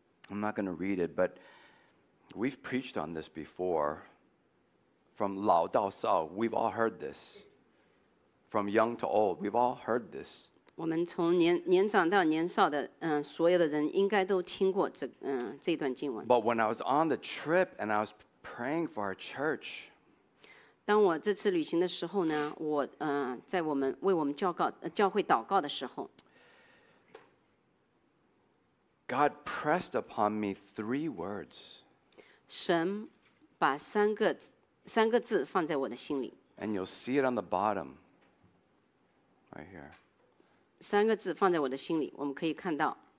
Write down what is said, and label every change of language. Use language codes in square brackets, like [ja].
[en] I'm not going to read it, but we've preached on this before. From [zh] 老到少, [en] we've all heard this. From young to old, we've all heard this. [zh] 我们从 年长到年少的、所有的人应该都听过 这段经文。 [en] But when I was on the trip and I was praying for our church, [zh] 当我这次旅行的时候呢，我、在我们为我们 教会祷告的时候， [en] God pressed upon me three words. [zh] 神把三个字放在我的心里。 [en] And you'll see it on the bottom, right here. [zh] 三个字放在我的心里，我们可以看到。